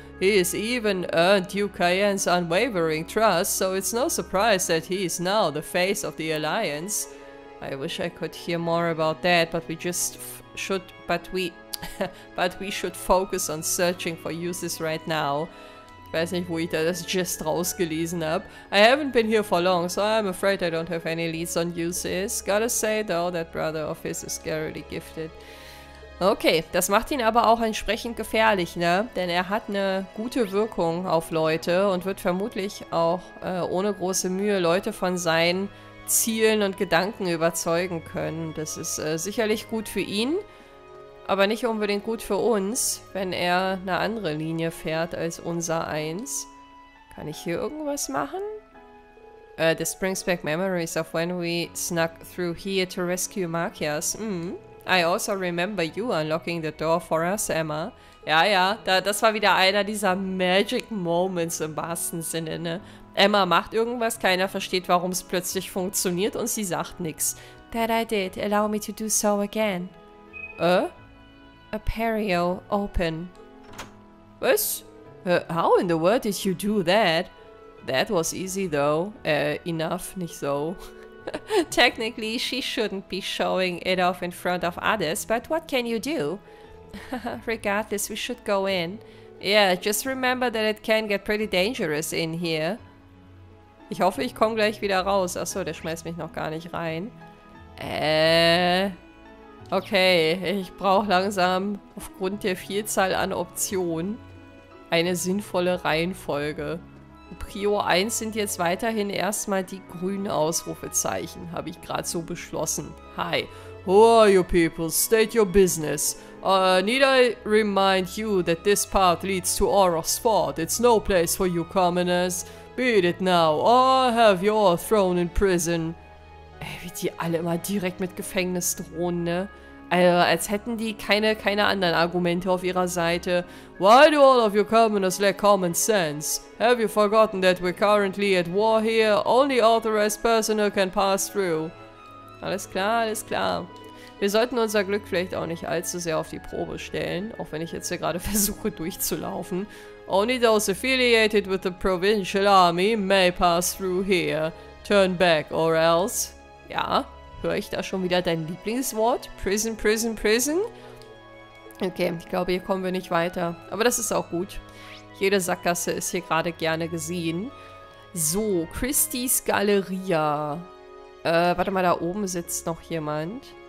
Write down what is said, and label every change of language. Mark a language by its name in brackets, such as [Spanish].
[English] He has even earned Duke Cayenne's unwavering trust, so it's no surprise that he is now the face of the Alliance. I wish I could hear more about that, but we just should, but we... But we should focus on searching for uses right now. [German] Ich weiß nicht, wo ich da das Gist rausgelesen habe. [English] I haven't been here for long, so I'm afraid I don't have any leads on uses. Gotta say though, that brother of his is scarily gifted. [German] Okay, das macht ihn aber auch entsprechend gefährlich, ne? Denn er hat eine gute Wirkung auf Leute und wird vermutlich auch ohne große Mühe Leute von seinen Zielen und Gedanken überzeugen können. Das ist sicherlich gut für ihn. Aber nicht unbedingt gut für uns, wenn er eine andere Linie fährt als unser Eins. Kann ich hier irgendwas machen? [English] This brings back memories of when we snuck through here to rescue Markias. I also remember you unlocking the door for us, Emma. [German] Ja, ja, das war wieder einer dieser Magic Moments im wahrsten Sinne, ne? Emma macht irgendwas, keiner versteht, warum es plötzlich funktioniert und sie sagt nichts. [English] That I did. Allow me to do so again. Aperio, open. [German] Was? [English] How in the world did you do that? That was easy though. Enough, [German] nicht so. [English] Technically, she shouldn't be showing it off in front of others, but what can you do? Regardless, we should go in. Yeah, just remember that it can get pretty dangerous in here. [German] Ich hoffe, ich komme gleich wieder raus. Achso, der schmeißt mich noch gar nicht rein. Okay, ich brauche langsam aufgrund der Vielzahl an Optionen eine sinnvolle Reihenfolge. Prio 1 sind jetzt weiterhin erstmal die grünen Ausrufezeichen, habe ich gerade so beschlossen. [English] Hi. Who are you people? State your business. Need I remind you that this path leads to Auror's Fort? It's no place for you commoners. Beat it now or have you all thrown in prison. [German] Ey, wie die alle immer direkt mit Gefängnis drohen, ne? Also, als hätten die keine anderen Argumente auf ihrer Seite. [English] Why do all of you commoners lack common sense? Have you forgotten that we're currently at war here? Only authorized personnel can pass through. [German] Alles klar, alles klar. Wir sollten unser Glück vielleicht auch nicht allzu sehr auf die Probe stellen, auch wenn ich jetzt hier gerade versuche durchzulaufen. [English] Only those affiliated with the provincial army may pass through here. Turn back, or else. [German] Ja, höre ich da schon wieder dein Lieblingswort? [English] Prison, prison, prison? [German] Okay, ich glaube, hier kommen wir nicht weiter. Aber das ist auch gut. Jede Sackgasse ist hier gerade gerne gesehen. So, Christie's Galleria. Warte mal, da oben sitzt noch jemand.